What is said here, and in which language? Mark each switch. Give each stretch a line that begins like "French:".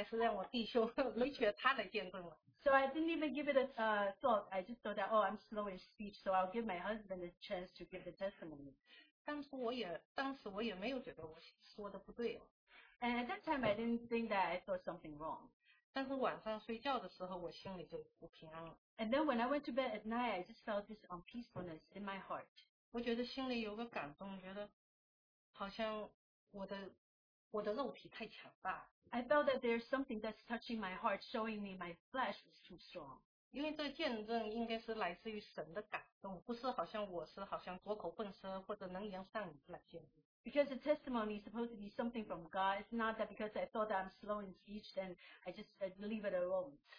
Chinese: 那时候我想都没想，我就说，哎呀，我左口笨舌的，还是让我弟兄没觉得他来见证了。
English: So I didn't even give it a thought. I just thought that, oh, I'm slow in speech, so I'll give my husband a chance to give the testimony.
Chinese: 当时我也没有觉得我说的不对。
English: And at that time, I didn't think that I thought something wrong.
Chinese: 但是晚上睡觉的时候，我心里就不平安了。
English: And then when I went to bed at night, I just felt this unpeacefulness in my heart.
Chinese: 我觉得心里有个感动，觉得好像我的肉体太强大。
English: I felt that there's something that's touching my heart, showing me my flesh is too strong.
Chinese: 因为这见证应该是来自于神的感动，不是好像我是好像左口笨舌或者能言善语来见证。
English: Because the testimony is supposed to be something from God, it's not that because I thought that I'm slow in speech, then I just leave it alone.